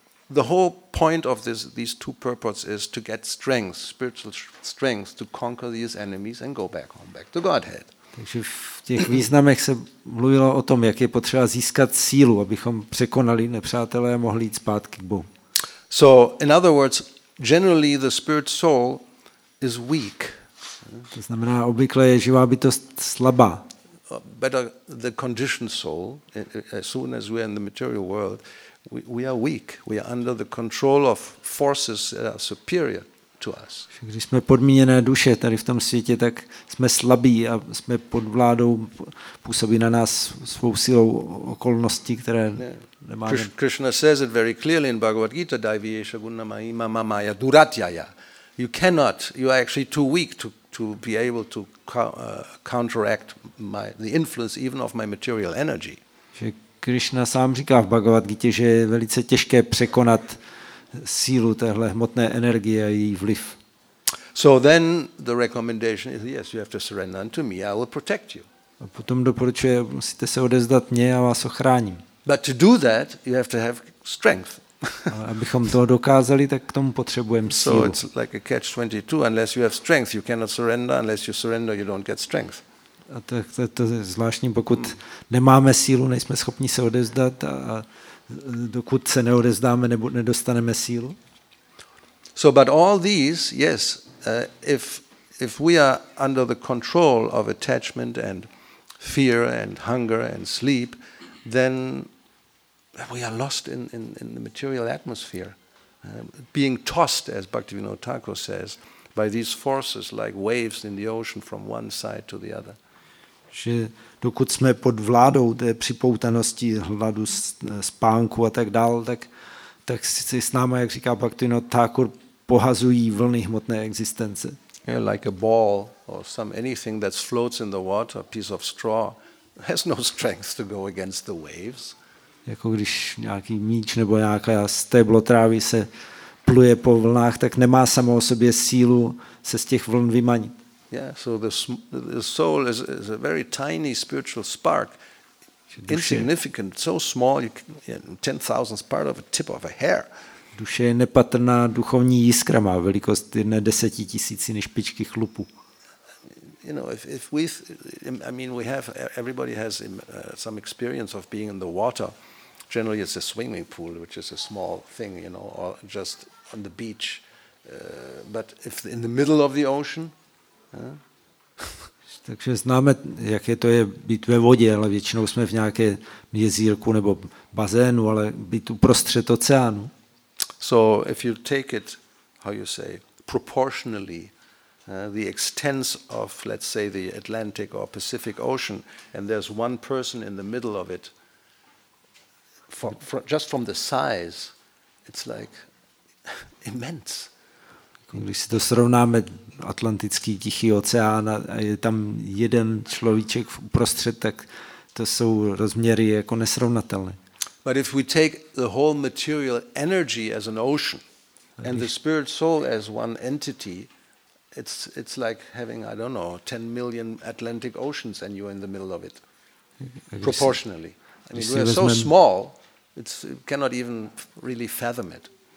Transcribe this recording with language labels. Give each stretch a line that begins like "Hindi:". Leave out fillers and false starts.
English: the whole point of this, these two purports is to get strength, spiritual strength, to conquer these enemies and go back home, back to Godhead.
Czech: Takže v těch významech se mluvilo o tom, jak je potřeba získat sílu, abychom překonali nepřátelé a mohli jít zpátky k Bohu.
English: So, in other words, generally the spirit soul is weak.
Czech: To znamená, obvykle je živá bytost slabá.
English: Better the conditioned soul, as soon as we are in the material world, we are weak. We are under the control of forces that are superior to us.
Czech: Když jsme podmíněné duše tady v tom světě, tak jsme slabí a jsme pod vládou, působí na nás svou silou okolnosti, které nemáme.
English: Yeah. Krishna says it very clearly in Bhagavad Gita,
Sanskrit: Daivyesha Gunamahima Mamaya Duratyaya.
English: You cannot, you are actually too weak to be able to counteract the influence even of my material energy.
Czech: Krishna sám říká v Bhagavad Gita, že je velice těžké překonat sílu téhle hmotné energie a její vliv.
English: So then the recommendation is yes, you have to surrender unto me, I will protect you.
Czech: A potom doporučuje, musíte se odezdat mně, já vás ochráním.
English: But to do that, you have to have strength.
Czech: Abychom to dokázali, tak k tomu potřebujeme sílu.
English: So it's like a catch 22, unless you have strength, you cannot surrender, unless you surrender, you don't get strength.
Czech: A to je zvláštní, pokud nemáme sílu, nejsme schopni se odezdat a dokud se neodezdáme, nebo nedostaneme sílu.
English: So but all these, yes, if we are under the control of attachment and fear and hunger and sleep, then we are lost in the material atmosphere, being tossed, as Bhaktivinoda Thakur says, by these forces like waves in the ocean from one side to the other.
Czech: Že dokud jsme pod vládou té připoutanosti, hladu, spánku a tak dál, tak si s náma, jak říká Bhaktivinoda Thakur, pohazují vlny hmotné existence.
English: Yeah, like a ball or some anything that floats in the water, a piece of straw, has no strength to go against the waves.
Czech: Jako když nějaký míč nebo nějaká stéblo trávy se pluje po vlnách, tak nemá samo o sobě sílu se z těch vln vymanit.
English: Yeah, so the soul is a very tiny spiritual spark, insignificant, so small, 10,000th part of a tip of a hair.
Czech: Duše je nepatrná duchovní jiskra, má velikost jedné desetitisíciny špičky chlupu.
English: You know, everybody has some experience of being in the water. Generally, it's a swimming pool, which is a small thing, you know, or just on the beach. But if in the middle of the ocean.
Czech: Takže známe, jak je to je být ve vodě, ale většinou jsme v nějaké jezírku nebo bazénu, ale být uprostřed oceánu.
English: So if you take it, how you say, proportionally, the extent of, let's say, the Atlantic or Pacific Ocean, and there's one person in the middle of it, just from the size, it's like immense.
Czech: Když si to srovnáme, Atlantický tichý oceán a je tam jeden človíček uprostřed, tak to jsou rozměry jako nesrovnatelné.
English: But if we take the whole material energy as an ocean and the spirit soul as one entity, it's like having, I don't know, 10 million Atlantic oceans and you're in the middle of it, proportionally. I mean, we're so small, it cannot even really fathom it.